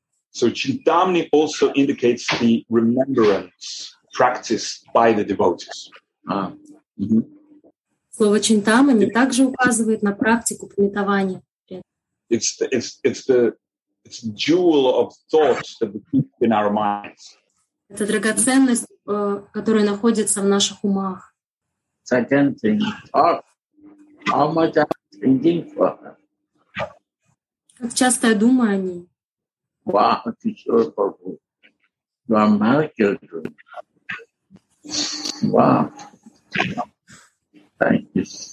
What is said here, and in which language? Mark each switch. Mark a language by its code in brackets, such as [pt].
[en] So, Чинтамни also indicates the remembrance practiced by the devotees. [ru] Слово Чинтамни также указывает на практику памятования. [en] It's the jewel of thoughts that we keep in our minds. [ru] Это драгоценность, которая находится в наших умах. [en] Second thing, how much I'm thinking for her. [ru] Как часто я думаю о ней. [en] Wow, [ru] ты что, [en] Прабху? You are married to me. Wow. Thank you.